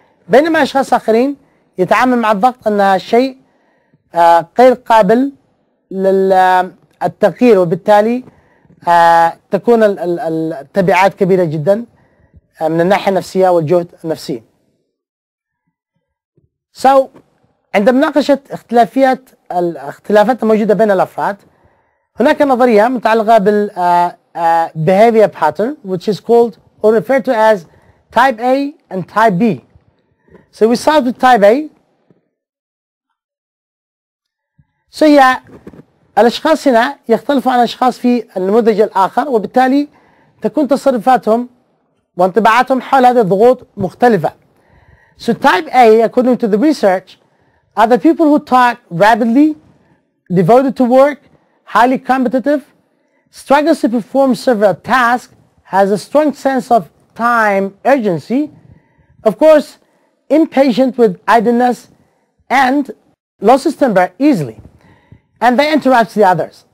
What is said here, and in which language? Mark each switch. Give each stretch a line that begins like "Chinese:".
Arabic: بينما أشخاص آخرين يتعامل مع الضغط أنها شيء غير قابل للتغيير وبالتالي تكون التبعات كبيرة جدا من الناحية النفسية والجهد النفسي.
English: So,
Arabic: عندما ناقشت اختلافات الموجودة بين الأفراد هناك نظرية متعلقة بال
English: behavior pattern which is called or referred to as type A and type B. So we start with type A. So yeah,
Arabic: الأشخاص هنا يختلفوا عن أشخاص في النموذج الآخر، وبالتالي تكون تصرفاتهم وانطباعاتهم حول هذه الضغوط مختلفة.
English: So type A, according to the research, are the people who talk rapidly, devoted to work, highly competitive, struggles to perform several tasks, has a strong sense of time urgency, of course, impatient with idleness, and loses temper easily, and they interrupt the others.